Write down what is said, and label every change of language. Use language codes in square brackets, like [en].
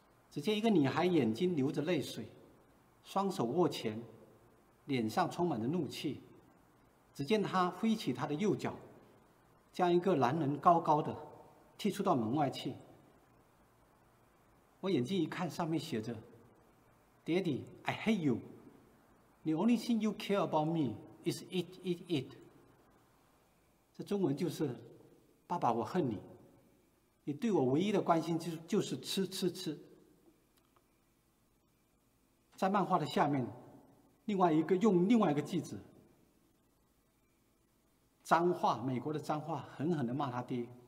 [zh] 只见一个女孩眼睛流着泪水，双手握拳，脸上充满着怒气。只见她挥起她的右脚，将一个男人高高的踢出到门外去。我眼睛一看，上面写着 [en] Daddy, I hate you. The only thing you care about me is eat, eat, eat. [zh] 这中文就是爸爸我恨你，你对我唯一的关心就是吃吃吃。在漫画的下面，另外一个用另外一个句子，脏话，美国的脏话，狠狠地骂他爹。